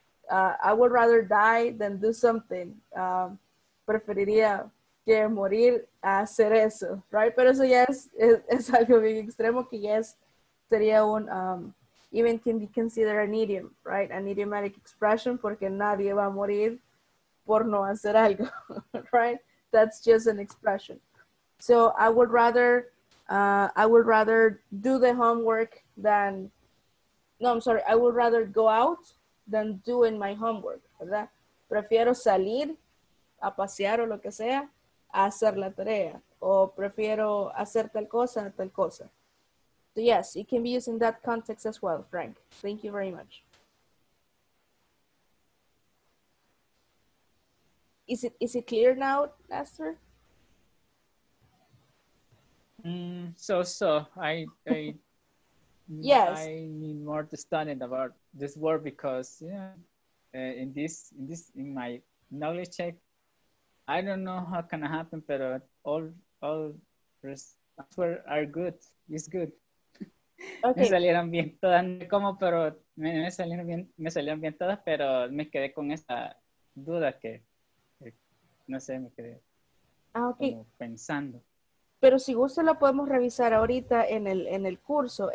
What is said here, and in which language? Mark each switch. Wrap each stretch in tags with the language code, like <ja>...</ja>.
<en>I would rather die than do something.</en> <es>Preferiría que morir a hacer eso,</es> <en>right?</en> <es>Pero eso ya es algo bien extremo que ya sería un,</es> <en>even can be considered an idiom, right? An idiomatic expression,</en> <es>porque nadie va a morir por no hacer algo,</es> <en>right? That's just an expression. So I would rather... I would rather do the homework than, no, I'm sorry, I would rather go out than doing my homework,</en> <es>¿verdad? Prefiero salir a pasear o lo que sea, a hacer la tarea, o prefiero hacer tal cosa, tal cosa.</es> <en>So yes, it can be used in that context as well, Frank. Thank you very much. Is it clear now, Lester? So I yes, I need more to study about this word because in my knowledge check, I don't know how can happen, but all answer are good. It's good. Okay.</en> <es>Me salieron bien todas, como pero me salieron bien todas, pero me quedé con esa duda que no sé, me quedé okay. Como pensando. Pero si gusta lo podemos revisar ahorita en el curso.</es>